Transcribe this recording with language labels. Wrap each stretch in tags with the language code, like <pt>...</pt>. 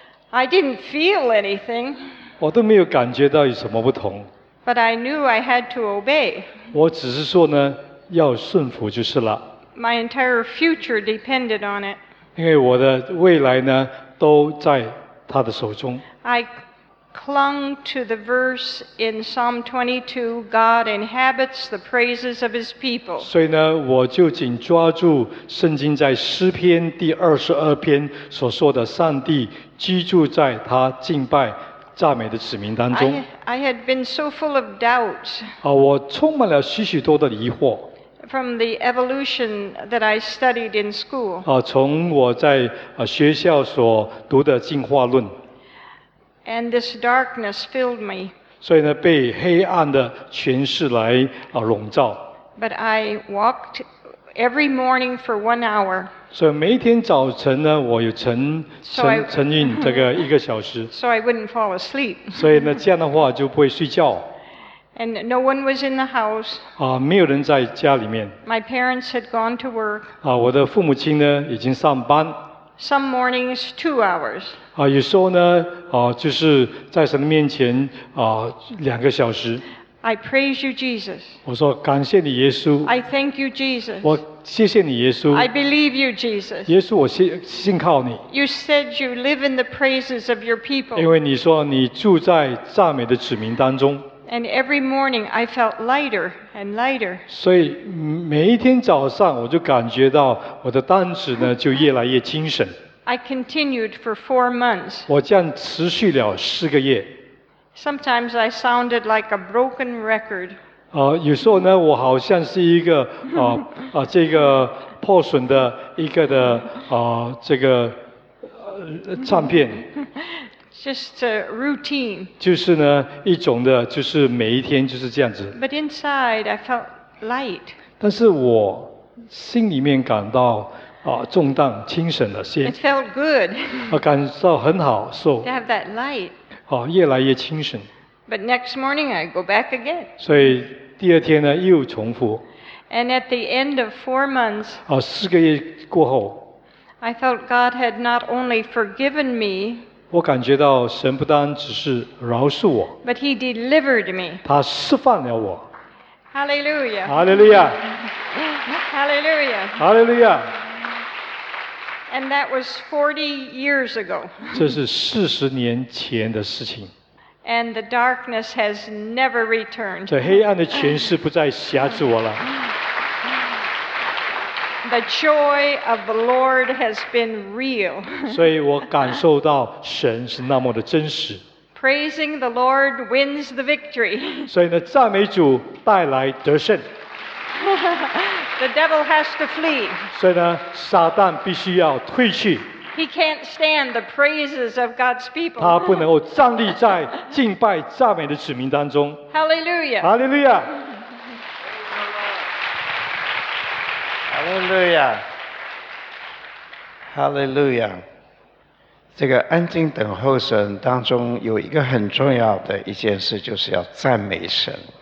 <en>I didn't feel anything.</en> <zh>我都没有感觉到有什么不同。</zh> <en>But I knew I had to obey.</en> <zh>我只是说呢，要顺服就是了。</zh> <en>My entire future depended on it.</en> <zh>因为我的未来呢，都在他的手中。</zh> <en>I clung to the verse in Psalm 22, God inhabits the praises of His people.</en> <zh>所以呢，我就紧抓住圣经在诗篇第二十二篇所说的，上帝居住在他敬拜赞美的子民当中。</zh> <en>I had been so full of doubts.</en> <zh>我充满了许许多的疑惑。</zh> <en>From the evolution that I studied in school.</en> <zh>从我在学校所读的进化论。</zh> <en>And this darkness filled me.</en> <zh>所以呢，被黑暗的权势来笼罩。</zh> <en>But I walked every morning for 1 hour.</en> <zh>所以每一天早晨呢，我有晨运这个一个小时。</zh> <en>So I wouldn't fall asleep.</en> <zh>所以呢，这样的话就不会睡觉。</zh> <en>And no one was in the house.</en> <zh>没有人在家里面。</zh> <en>My parents had gone to work.</en> <zh>我的父母亲呢已经上班。</zh> <en>Some mornings 2 hours.</en> <zh>有时候呢，就是在神的面前两个小时。</zh> <en>I praise you, Jesus.</en> <zh>我说感谢你耶稣。</zh> <en>I thank you, Jesus.</en> <zh>我谢谢你耶稣。</zh> <en>I believe you, Jesus.</en> <zh>耶稣，我信靠你。</zh> <en>You said you live in the praises of your people.</en> <zh>因为你说你住在赞美的子民当中。</zh> <en>And every morning I felt lighter and lighter.</en> <zh>所以每一天早上我就感觉到我的担子呢就越来越轻省。</zh> <en>I continued for 4 months.</en> <zh>我这样持续了四个月。</zh> <en>Sometimes I sounded like a broken record.</en> <zh>有时候呢，我好像是一个这个破损的一个的这个唱片。</zh> <en>Just a routine.</en> <zh>就是呢，一种的，就是每一天就是这样子。</zh> <en>But inside, I felt light.</en> <zh>但是我心里面感到重担轻省了些。</zh> <en>It felt good.</en> <zh>感到很好受。</zh> <en>To have that light.</en> <zh>越来越清醒。</zh> <en>But next morning I go back again.</en> <zh>所以第二天呢又重复。</zh> <en>And at the end of 4 months.</en> <zh>四个月过后。</zh> <en>I felt God had not only forgiven me.</en> <zh>我感觉到神不单只是饶恕我。</zh> <en>But He delivered me.</en> <zh>他释放了我。</zh> <en>Hallelujah. Hallelujah. Hallelujah. Hallelujah. And that was 40 years ago.</en> <zh>这是四十年前的事情。</zh> <en>And the darkness has never returned.</en> <zh>这黑暗的权势不再辖制我了。</zh> <en>The joy of the Lord has been real.</en> <zh>所以我感受到神是那么的真实。</zh> <en>Praising the Lord wins the victory.</en> <zh>所以呢，赞美主带来得胜。</zh> <en>The devil has to flee.</en> <zh>所以呢，撒旦必须要退去。</zh> <en>He can't stand the praises of God's people.</en> <zh>他不能够站立在敬拜赞美的子民当中。</zh> <en>Hallelujah. Hallelujah. Hallelujah. Hallelujah.</en> <zh>这个安静等候神当中有一个很重要的一件事，就是要赞美神。</zh>